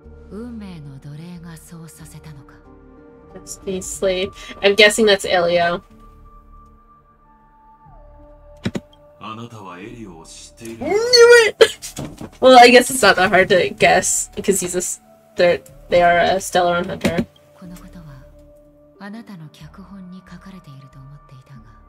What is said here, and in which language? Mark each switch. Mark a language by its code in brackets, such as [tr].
[ja] 運命の奴隷がそうさせたのか。 [en] Let's be asleep. I'm guessing that's Elio. [ja] あなたはエリオを知っている [en] 。 Knew it! Well, I guess it's not that hard to guess, because they are a Stellaron hunter. [ja] このことはあなたの脚本に書かれていると思っていたが、